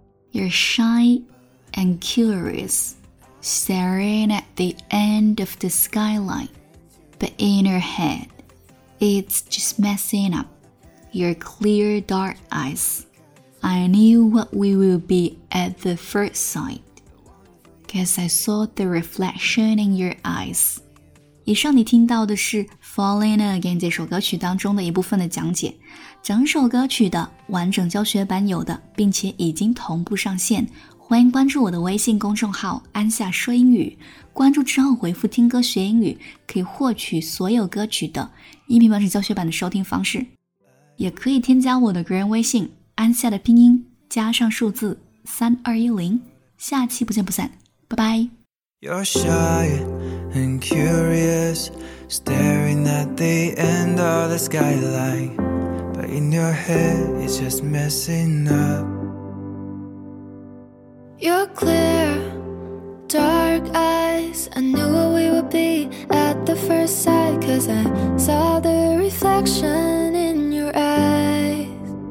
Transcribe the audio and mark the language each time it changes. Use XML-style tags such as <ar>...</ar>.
<en>You're shy and curious, staring at the end of the skyline, but in your head, it's just messing up your clear dark eyes. I knew what we will be at the first sight. Because I saw the reflection in your eyes.</en> <zh>以上你听到的是 Fall In Again 这首歌曲当中的一部分的讲解。整首歌曲的完整教学版有的，并且已经同步上线。欢迎关注我的微信公众号安夏说英语，关注之后回复听歌学英语，可以获取所有歌曲的音频完整教学版的收听方式。也可以添加我的个人微信安夏的拼音加上数字3210，下期不见不散，拜拜。</zh> <en>You're shy and curious, staring at the end of the skyline, but in your head it's just messing up. You're clear, dark eyes, I knew what we would be at the first sight, cause I saw the reflection in your eyes.</en>